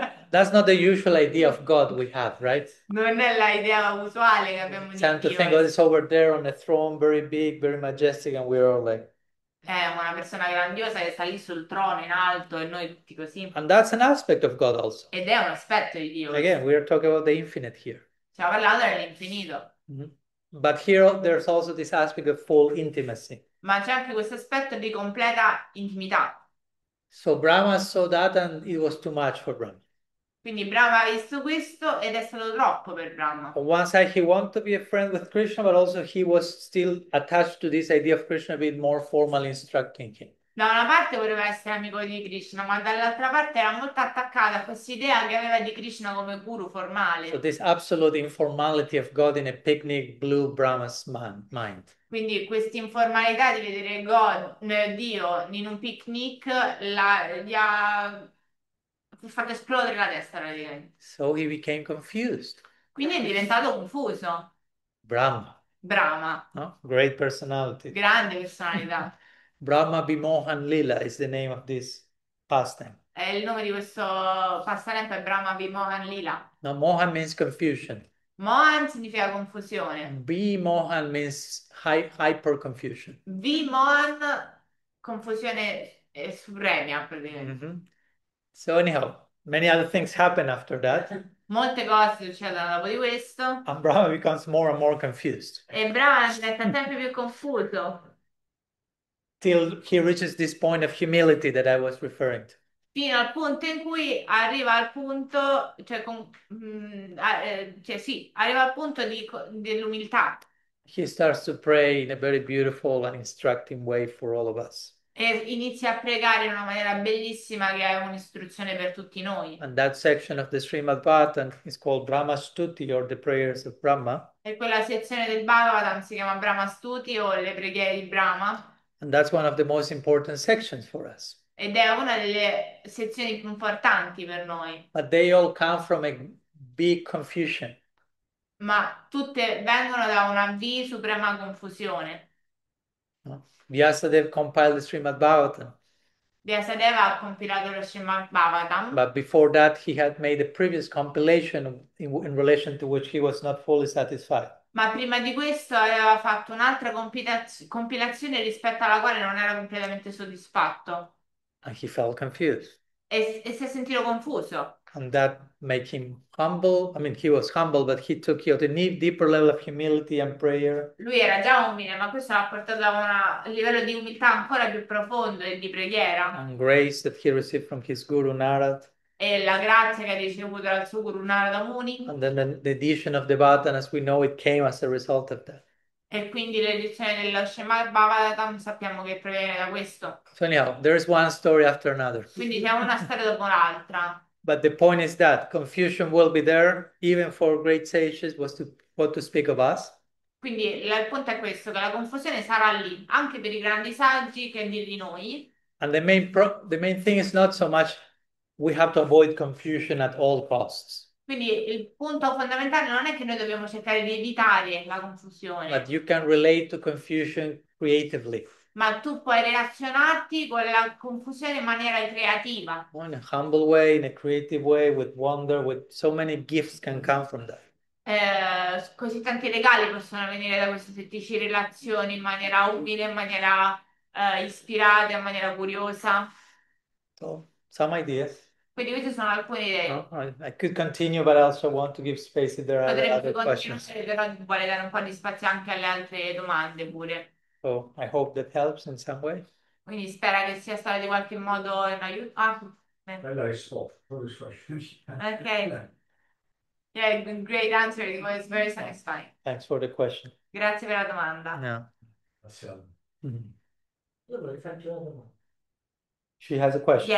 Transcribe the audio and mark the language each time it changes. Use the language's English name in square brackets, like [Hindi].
[English] That's not the usual idea of God we have, right? [Italian] Non è l'idea usuale che [English] We [Italian] abbiamo di [English] tend to [Italian] Dio. [English] think, oh, it's over there on a throne, very big, very majestic, and we're all like. [Italian] È una persona grandiosa che sta lì sul trono in alto e noi tutti così. [English] And that's an aspect of God also. [Italian] Ed è un aspetto di Dio [English] Again, [Italian] questo. [English] we are talking about the infinite here. [Italian] Ci ha parlato dell'infinito. [English] But here there's also this aspect of full intimacy. [Italian] Ma c'è anche questo aspetto di completa intimità. [English] So Brahma saw that and it was too much for Brahma. [Italian] Quindi Brahma ha visto questo ed è stato troppo per Brahma. [English] On one side he wanted to be a friend with Krishna, but also he was still attached to this idea of Krishna being more formally instructing him. [Italian] Da una parte voleva essere amico di Krishna, ma dall'altra parte era molto attaccata a questa idea che aveva di Krishna come guru [English] So [Italian] formale. [English] this absolute informality of God in a picnic blew Brahma's mind. [Italian] Quindi questa informalità di vedere Dio in un picnic gli ha fatto esplodere la testa praticamente. [English] So he became confused. [Italian] Quindi è diventato confuso. [English] Brahma, [Italian] Brahma. [English] no? Great personality. [Italian] Grande personalità. [English] Brahma Bimohan Lila is the name of this pastime. [Italian] È il nome di questo passatempo, è Brahma Vimohan Lila. [English] Now, Mohan means confusion. [Italian] Mohan significa confusione. [English] Bimohan means hyper confusion. [Italian] Vimohan, confusione suprema, praticamente. [English] So anyhow, many other things happen after that. [Italian] Molte cose succedono dopo di questo. [English] And Brahma becomes more and more confused. [Italian] E Brahma diventa sempre più confuso. [English] Till he reaches this point of humility that I was referring to. [Italian] Fino al punto in cui arriva al punto, cioè sì, arriva al punto dell'umiltà. [English] He starts to pray in a very beautiful and instructing way for all of us. [Italian] E inizia a pregare in una maniera bellissima che è un'istruzione per tutti noi. [English] And that section of the Srimad Bhagavatam is called Brahma Stuti or the Prayers of Brahma. [Italian] E quella sezione del Bhagavatam si chiama Brahma Stuti o le preghiere di Brahma. [English] And that's one of the most important sections for us. [Italian] Ed è una delle sezioni più importanti per noi. [English] But they all come from a big confusion. [Italian] Ma tutte vengono da una V suprema confusione. [English] Vyasadeva compiled the Srimad [Italian] Vyasadeva ha compilato lo Srimad [English] Bhagavatam. [Italian] Bhagavatam. [English] But before that, he had made a previous compilation in relation to which he was not fully satisfied. [Italian] Ma prima di questo aveva fatto un'altra compilazione rispetto alla quale non era completamente soddisfatto. [English] And he felt confused. [Italian] E si è sentito confuso. [English] And that made him humble. I mean, he was humble, but he took you to a deeper level of humility and prayer. [Italian] Lui era già umile, ma questo l'ha portato a un livello di umiltà ancora più profondo e di preghiera. [English] And grace that he received from his guru Narad. [Italian] E la grazia che ha ricevuto dal suo guru Narada Muni. [English] And then the addition of the Bhagavatam, as we know, it came as a result of that. [Italian] E quindi l'edizione dello Srimad Bhagavatam sappiamo che proviene da questo. [English] So anyhow, there is one story after another. [Italian] Quindi c'è una storia dopo l'altra. [English] But the point is that confusion will be there, even for great sages, what to speak of us. [Italian] Quindi il punto è questo, che la confusione sarà lì, anche per i grandi saggi, che dir di noi. [English] And the main thing is not so much we have to avoid confusion at all costs. [Italian] Quindi il punto fondamentale non è che noi dobbiamo cercare di evitare la [English] But [Italian] confusione, [English] you can relate to confusion creatively. [Italian] ma tu puoi relazionarti con la confusione in maniera creativa. [English] In a humble way, in a creative way, with wonder, with so many gifts can come from that. [Italian] Così tanti regali possono venire da queste 16 relazioni in maniera umile, in maniera ispirata, in maniera curiosa. [English] So, some ideas. [Italian] Quindi queste sono alcune idee. [English] No, I could continue, but I also want to give space if there are [Italian] Potrebbe [English] other [Italian] continuare, [English] questions. [Italian] però vuole dare un po' di spazio anche alle altre domande pure. [English] So, I hope that helps in some way. [Italian] Quindi spera che sia stato di qualche modo un aiuto. Ah, [English] Well, I solved all these questions. ok. Yeah. Yeah, great answer. It was very satisfying. Thanks for the question. [Italian] Grazie per la domanda. [English] Yeah. She has a question.